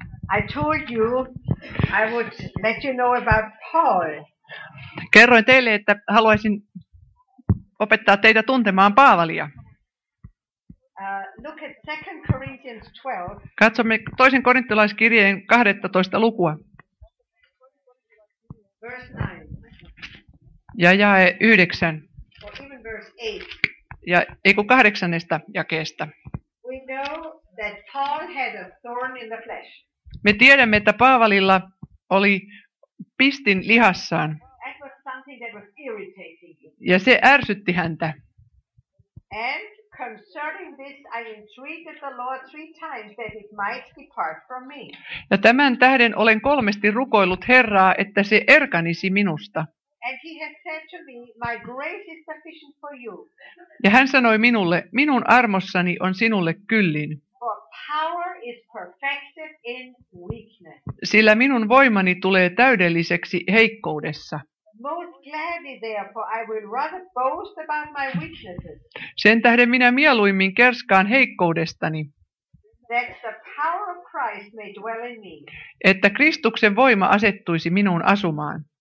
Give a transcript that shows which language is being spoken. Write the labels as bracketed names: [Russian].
[English] I told you I would let you know about Paul. [Finnish] Kerroin teille, että haluaisin opettaa teitä tuntemaan Paavalia. [English] Look at 2 Corinthians 12. [Finnish] Katsomme toisen korinttilaiskirjeen 12. lukua. [English] Verse 9. [Finnish] Ja jae 9. [English] Verse 8. [Finnish] Ja eikö 8. jakeesta. [English] We know that Paul had a thorn in the flesh. [Finnish] Me tiedämme, että Paavalilla oli pistin lihassaan. [English] That was something that was irritating him. [Finnish] Ja se ärsytti häntä. [English] And concerning this I entreated the Lord 3 times that it might depart from me. [Finnish] Ja tämän tähden olen 3 rukoillut Herraa, että se erkanisi minusta. [English] And he has said to me, my grace is sufficient for you. [Finnish] Ja hän sanoi minulle, minun armossani on sinulle kyllin. [English] For power is perfected in weakness. [Finnish] Sillä minun voimani tulee täydelliseksi heikkoudessa. [English] Most gladly therefore I will rather boast about my weaknesses. [Finnish] Sen tähden minä mieluimmin kerskaan heikkoudestani. [English] That the power of Christ may dwell in me. [Finnish] Että Kristuksen voima asettuisi minuun asumaan.